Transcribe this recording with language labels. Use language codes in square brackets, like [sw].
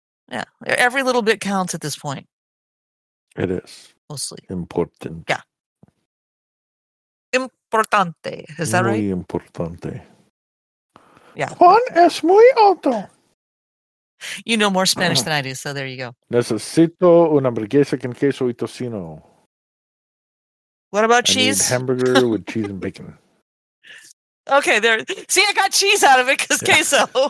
[en] yeah, every little bit counts at this point. It is mostly important. Yeah, [es] importante. [en] Is that [es] muy [en] right? [es] Muy importante. [en] Yeah. [es] Juan es muy alto. [en] You know more Spanish than I do, so there you go. [es] Necesito una hamburguesa con queso y tocino. [en] What about cheese? I need hamburger with cheese and bacon. Okay, there. See, I got cheese out of it because queso.